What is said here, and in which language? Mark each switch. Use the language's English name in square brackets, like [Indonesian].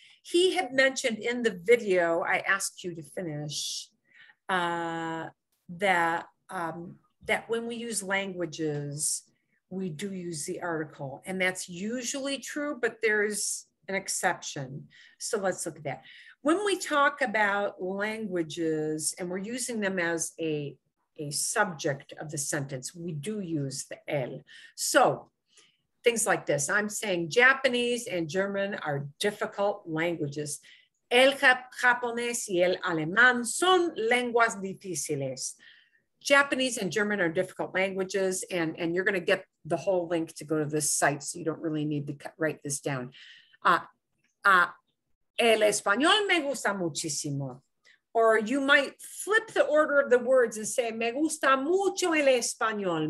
[English] He had mentioned in the video, I asked you to finish, that when we use languages, we do use the article, and that's usually true, but there's an exception. So let's look at that. When we talk about languages and we're using them as a subject of the sentence, we do use the el. So things like this, I'm saying Japanese and German are difficult languages. [Spanish] El japonés y el alemán son lenguas difíciles. [English] Japanese and German are difficult languages, and you're gonna get the whole link to go to this site, so you don't really need to write this down. [Spanish] El español me gusta muchísimo. [English] Or you might flip the order of the words and say, [Spanish] me gusta mucho el español.